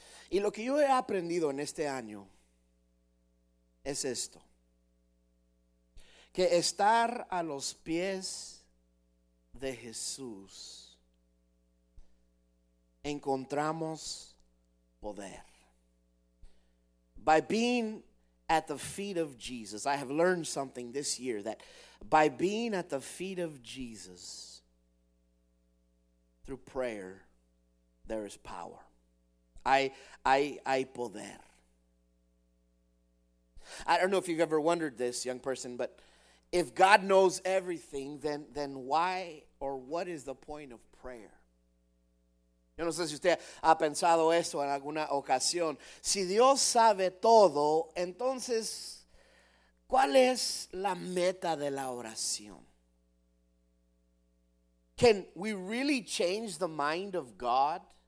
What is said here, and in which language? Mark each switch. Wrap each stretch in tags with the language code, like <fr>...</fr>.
<es>Y lo que yo he aprendido en este año es esto: que estar a los pies de Jesús encontramos poder.</es> <en>By being at the feet of Jesus, I have learned something this year, that by being at the feet of Jesus through prayer, there is power.</en> <es>Hay poder.</es> <en>I don't know if you've ever wondered this, young person, but if God knows everything, then why or what is the point of prayer?</en> <es>Yo no sé si usted ha pensado esto en alguna ocasión. Si Dios sabe todo, entonces, ¿cuál es la meta de la oración?</es> <en>Can we really change the mind of God?</en>